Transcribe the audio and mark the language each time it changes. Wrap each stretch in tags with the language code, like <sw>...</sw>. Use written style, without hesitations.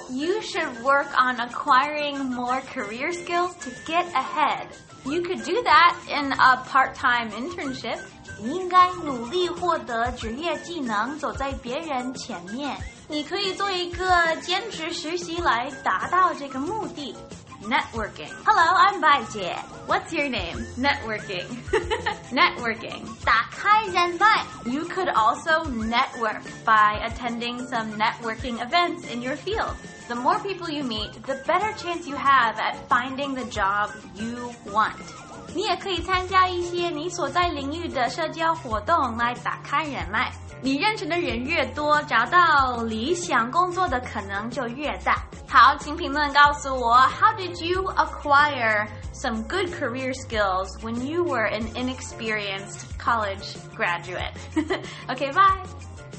<en>You should work on acquiring more career skills to get ahead. You could do that in a part-time internship.</en> <zh>你应该努力获得职业技能，走在别人前面。你可以做一个兼职实习来达到这个目的。</zh> <en>Networking. Hello, I'm 白姐。 What's your name? Networking. Networking.</en> <zh>打开人脉。</zh> <en>You could also network by attending some networking events in your field. The more people you meet, the better chance you have at finding the job you want.</en> <zh>你也可以参加一些你所在领域的社交活动来打开人脉。你认识的人越多，找到理想工作的可能就越大。好，请评论告诉我</zh> <en>,How did you acquire some good career skills when you were an inexperienced college graduate? Okay, bye!</en>